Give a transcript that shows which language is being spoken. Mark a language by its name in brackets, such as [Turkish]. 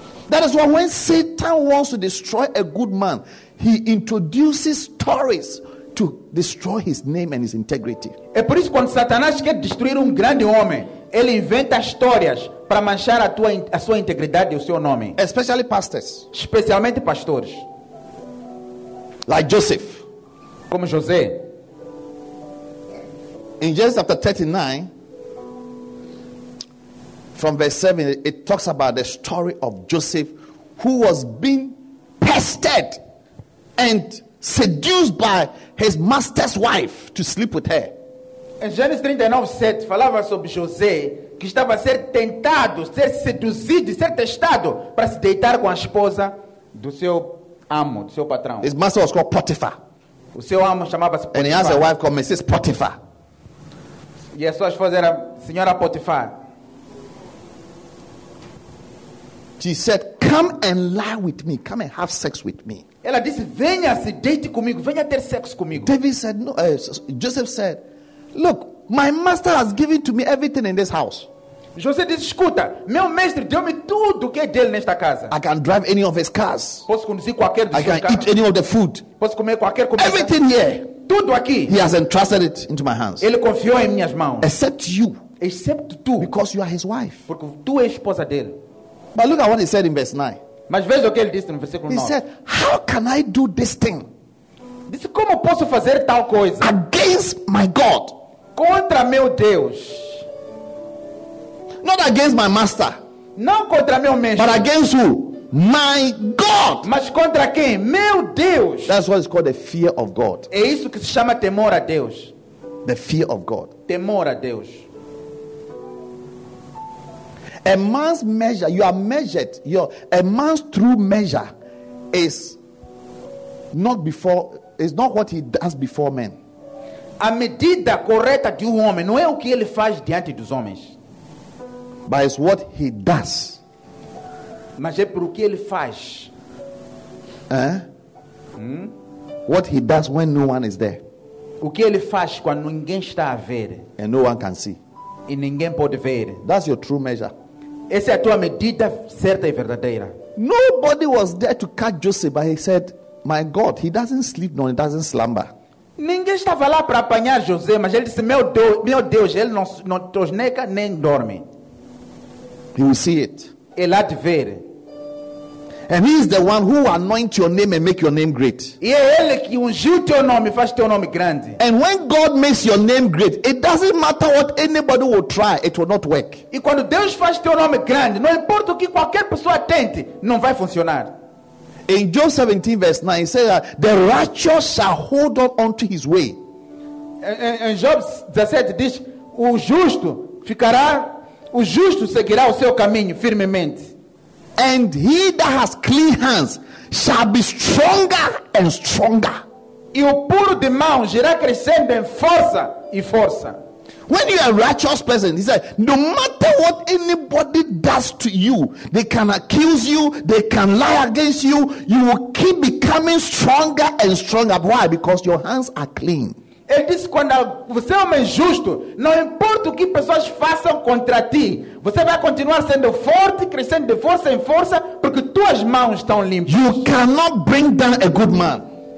[English] That is why when Satan wants to destroy a good man, he introduces stories to destroy his name and his integrity. [Portuguese] É por isso que quando Satanás quer destruir grande homem, ele inventa histórias para manchar a sua integridade e o seu nome. [English] Especially pastors. [Portuguese] Especialmente pastores. [English] Like Joseph. [Portuguese] Como José. [English] In Genesis chapter 39, from verse 7, it talks about the story of Joseph who was being pestered and seduced by his master's wife to sleep with her. [Portuguese] Em Gênesis 39:7 falava sobre José que estava a ser tentado, ser seduzido, ser testado para se deitar com a esposa do seu amo, do seu patrão. [English] His master was called Potiphar. [Portuguese] O seu amo chamava-se Potiphar. [English] And he has a wife called Mrs. Potiphar. [Portuguese] E a sua esposa era Senhora Potiphar. [English] She said, come and lie with me. Come and have sex with me. [Portuguese] Ela disse, venha se deite comigo. Venha ter sexo comigo. [English] David said, no. Joseph said, look, my master has given to me everything in this house. [Portuguese] José disse, escuta, meu mestre deu-me tudo que é dele nesta casa. [English] I can drive any of his cars. [Portuguese] Posso conduzir qualquer dos [English] I can eat any of the food. [Portuguese] Posso comer qualquer comida. [English] Everything here. [Portuguese] Tudo aqui. [English] He has entrusted it into my hands. [Portuguese] Ele confiou em minhas mãos. [English] Except you. Except [Portuguese] tu. [English] Because you are his wife. [Portuguese] Porque tu és esposa dele. [English] But look at what he said in verse 9. [Portuguese] Mas veja o que ele disse no versículo 9. [English] He said, how can I do this thing? [Portuguese] Disse, como posso fazer tal coisa? [English] Against my God. [Portuguese] Contra meu Deus. [English] Not against my master. [Portuguese] Não contra meu mestre. [English] But against who? My God. [Portuguese] Mas contra quem? Meu Deus. [English] That's what is called the fear of God. [Portuguese] É isso que se chama temor a Deus. [English] The fear of God. [Portuguese] Temor a Deus. [English] A man's measure, you are measured. A man's true measure is not what he does before men. [Portuguese] A medida correta de homem não é o que ele faz diante dos homens, [English] but it's what he does. [Portuguese] Mas é por o que ele faz. [English] What he does when no one is there. [Portuguese] O que ele faz quando ninguém está a ver. [English] And no one can see. [Portuguese] E ninguém pode ver. [English] That's your true measure. [Portuguese] Essa é a tua medida certa e verdadeira. [English] Nobody was there to catch Joseph, but he said, my God, he doesn't sleep nor he doesn't slumber. [Portuguese] Ninguém estava lá para apanhar José, mas ele disse, meu Deus, ele não tosneca nem dorme. [English] He will see it. [Portuguese] Ele há de ver. [English] And he is the one who anoints your name and make your name great. [Portuguese] E é ele que ungiu teu nome e faz teu nome grande. [English] And when God makes your name great, it doesn't matter what anybody will try, it will not work. [Portuguese] E quando Deus faz teu nome grande, não importa o que qualquer pessoa tente, não vai funcionar. [English] In Job 17 verse 9, it says that the righteous shall hold on unto his way. [Portuguese] Em Job 17 diz, o justo ficará O justo seguirá o seu caminho firmemente. [English] And he that has clean hands shall be stronger and stronger. [Portuguese] E o puro de mãos irá crescendo em força e força. [English] When you are a righteous person, he said, no matter what anybody does to you, they can accuse you, they can lie against you, you will keep becoming stronger and stronger. Why? Because your hands are clean. [Portuguese] Ele disse, quando você é homem justo, não importa o que pessoas façam contra ti, você vai continuar sendo forte, crescendo de força em força, porque tuas mãos estão limpas. [English] You cannot bring down a good man.